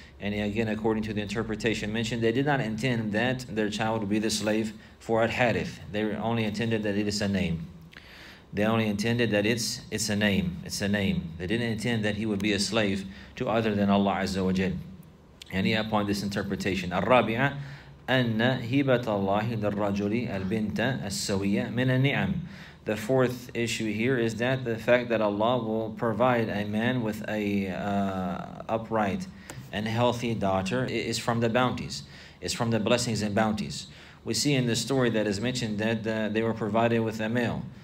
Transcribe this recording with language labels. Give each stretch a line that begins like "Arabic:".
English: And again, according to the interpretation mentioned, they did not intend that their child would be the slave for Al-Harith. They only intended that it is a name. They only intended that it's a name. It's a name. They didn't intend that he would be a slave to other than Allah Azza wa Jal. And upon this interpretation, Al-Rabi'ah,
Arabic: أن هبة الله للرجل البنت السوية من النعم.
English: The fourth issue here is that the fact that Allah will provide a man with a upright and healthy daughter is from the bounties. It's from the blessings and bounties. We see in the story that is mentioned that they were provided with a male.